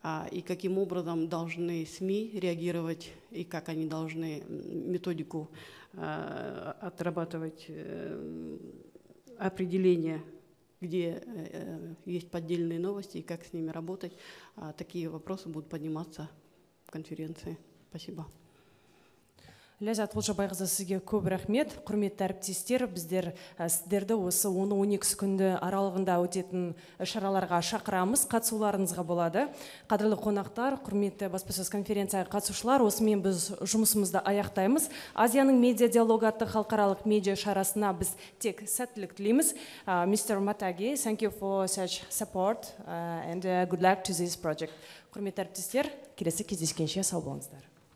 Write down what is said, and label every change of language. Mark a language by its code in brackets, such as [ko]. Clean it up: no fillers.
[ru] И каким образом должны СМИ реагировать, и как они должны методику отрабатывать, определение, где есть поддельные новости, и как с ними работать. Такие вопросы будут подниматься в конференции. Спасибо. [kk] Ләзәт Құлжабайқызы, сізге көп рахмет. Құрметті әріптестер, біздер сіздерді осы 10-12 күнді аралығында өтетін шараларға шақырамыз, қатысуларыңызға болады. Қадірлі қонақтар, құрметті баспасөз конференцияға қатысушылар, осымен біз жұмысымызды аяқтаймыз. Азияның медиа диалогы атты халықаралық медиа шарасына біз тек сәттілік тілейміз. [en] Мистер Матаги, thank you for such support and good luck to this project. [kk] Құрметті әріптестер, келесі кездескенше сау болыңыздар.